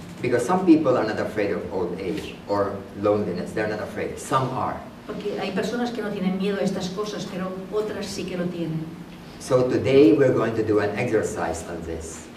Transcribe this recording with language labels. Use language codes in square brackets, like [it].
[en] Because some people are not afraid of old age or loneliness. They're not afraid. Some are. [es] Porque hay personas que no tienen miedo a estas cosas, pero otras sí que lo tienen. [en] So today we're going to do an exercise on this.